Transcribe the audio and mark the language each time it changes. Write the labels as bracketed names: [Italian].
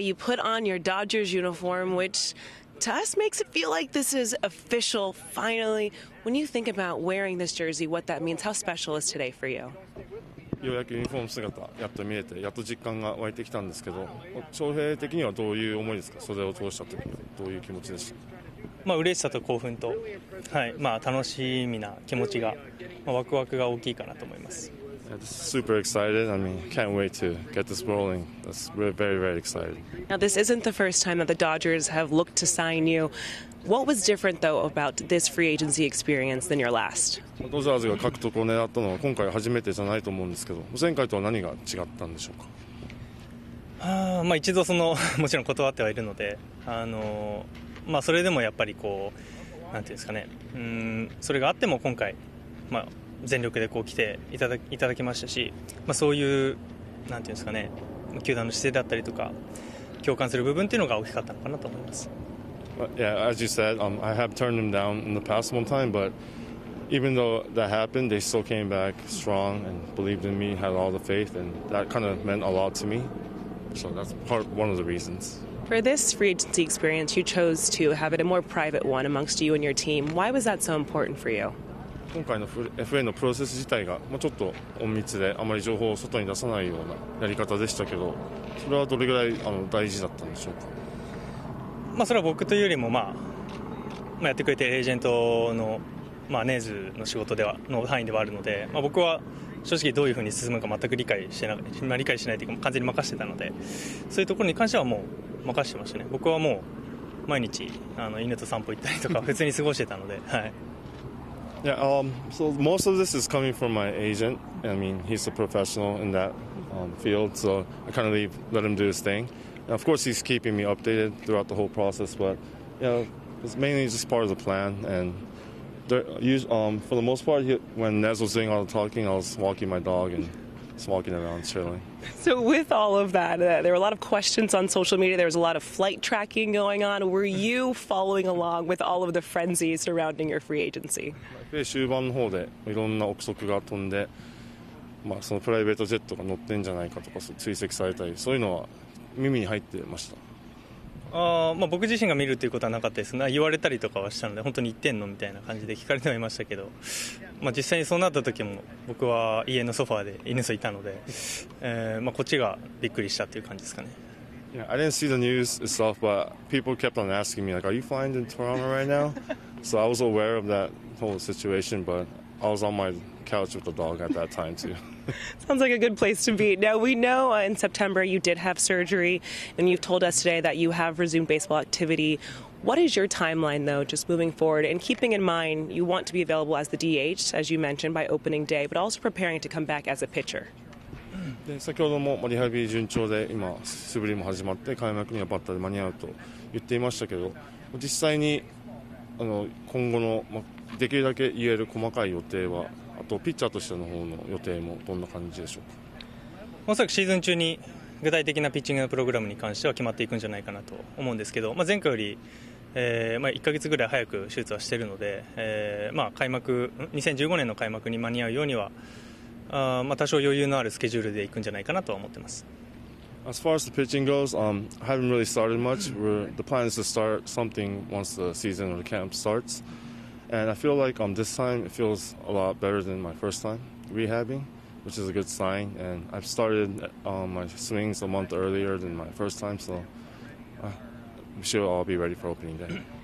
[English] You put on your Dodgers uniform, which to us makes it feel like this is official, finally. When you think about wearing this jersey, what that means, how special is today for you? [Japanese] ようやくユニフォーム姿やっと見えてやっと実感が湧いてきたんですけど、翔平的にはどういう思いですか？袖を通した時はどういう気持ちでした？まあ嬉しさと興奮と、はい、まあ楽しみな気持ちが、まあ、ワクワクが大きいかなと思います。 [English] Super excited. I mean, can't wait to get this rolling. That's really very, very exciting. Now, this isn't the first time that the Dodgers have looked to sign you. What was different, though, about this free agency experience than your last? [Japanese] Dodgers が獲得を狙ったのは今回初めてじゃないと思うんですけど、前回とは何が違ったんでしょうか？まあ一度そのもちろん断ってはいるので、まあそれでもやっぱりこうなんていうんですかね、それがあっても今回まあ。全力でこう来ていただきましたし、まあ、そういうなんていうんですかね、球団の姿勢だったりとか共感する部分っていうのが大きかったのかなと思います。 [English] Yeah, as you said, I have turned them down in the past one time, but even though that happened, they still came back strong and believed in me, had all the faith, and that kind of meant a lot to me. So that's part one of the reasons. For this free agency experience, you chose to have it a more private one amongst you and your team. Why was that so important for you? [Japanese] 今回の FA のプロセス自体がちょっと隠密であまり情報を外に出さないようなやり方でしたけど、それはどれぐらい大事だったんでしょうか？まあそれは僕というよりも、まあ、まあやってくれてエージェントの、まあ、ネーズの仕事ではの範囲ではあるので、まあ、僕は正直どういうふうに進むか全く理解しないというか完全に任せてたので、そういうところに関してはもう任せてましたね。僕はもう毎日犬と散歩行ったりとか普通に過ごしてたので、はい。 [English] Yeah, so most of this is coming from my agent. I mean, he's a professional in that field, so I kind of let him do his thing. And of course, he's keeping me updated throughout the whole process, but you know, it's mainly just part of the plan. And there, for the most part, when Nez was doing all the talking, I was walking my dog and just walking around, chilling. So with all of that, there were a lot of questions on social media. There was a lot of flight tracking going on. Were you following along with all of the frenzy surrounding your free agency? [Japanese] で終盤の方でいろんな憶測が飛んで、まあ、そのプライベートジェットが乗ってんじゃないかとか追跡されたり、そういうのは耳に入ってました。まあ、僕自身が見るということはなかったですね。言われたりとかはしたので、本当に行ってんのみたいな感じで聞かれてはいましたけど、まあ、実際にそうなった時も僕は家のソファーで犬といたので、まあ、こっちがびっくりしたという感じですかね。 [English] Yeah, I didn't see the news itself, but people kept on asking me like, are you flying to Toronto right now? So I was aware of thatWhole situation, but I was on my couch with the dog at that time too. Sounds like a good place to be. Now we know in September you did have surgery, and you've told us today that you have resumed baseball activity. What is your timeline though, just moving forward and keeping in mind you want to be available as the DH, as you mentioned, by opening day, but also preparing to come back as a pitcher? [Japanese] で先ほどもリハビリ順調で今素振りも始まって開幕にはバッターで間に合うと言っていましたけど、実際に今後の、まあできるだけ言える細かい予定は、あとピッチャーとしての方の予定もどんな感じでしょうか？おそらくシーズン中に具体的なピッチングのプログラムに関しては決まっていくんじゃないかなと思うんですけど、まあ、前回より、まあ1ヶ月ぐらい早く手術はしているので、まあ開幕2015年の開幕に間に合うようには、まあ多少余裕のあるスケジュールでいくんじゃないかなとは思ってます。 [English] As far as the pitching goes, I haven't really started much. The plan is to start something once the season or the camp startsAnd I feel like this time it feels a lot better than my first time rehabbing, which is a good sign. And I've started my swings a month earlier than my first time, so we should all be ready for opening day.